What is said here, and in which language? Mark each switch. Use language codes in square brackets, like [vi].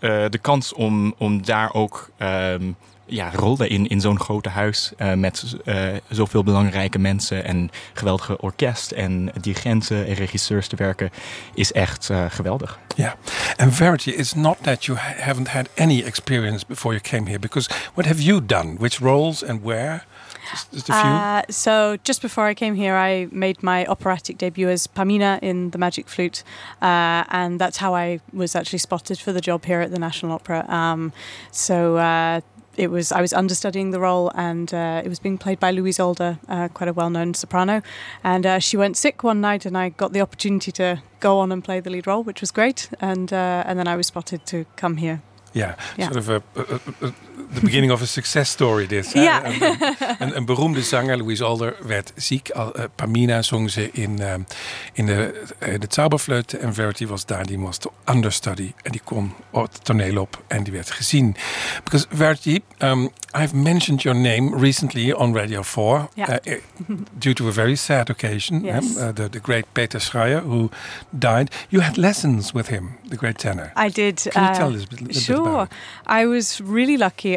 [nl] De kans om daar ook rollen in zo'n grote huis met zoveel belangrijke mensen en geweldige orkest en dirigenten en regisseurs te werken is echt geweldig. [en] Ja, en Verity, it's not that you haven't had any experience before you came here, because what have you done? Which roles and where? Just a few. So just before I came here, I made my operatic debut as Pamina in The Magic Flute. And that's how I was actually spotted for the job here at the National Opera. I was understudying the role, and it was being played by Louise Alder, quite a well-known soprano. And she went sick one night, and I got the opportunity to go on and play the lead role, which was great. And then I was spotted to come here. Yeah, yeah. Sort of the beginning of a success story, this. Yeah. [nl] Een beroemde zanger, Louise Alder, werd ziek. Pamina zong ze in de Zauberflöte. En Verity was daar, die was de understudy. En die kon het toneel op en die werd gezien. [en] Because Verity, I've mentioned your name recently on Radio 4. Yeah. Due to a very sad occasion. Yes. The great Peter Schreier, who died. You had lessons with him, the great tenor. I did. Can you tell us a little bit about it? Sure. I was really lucky.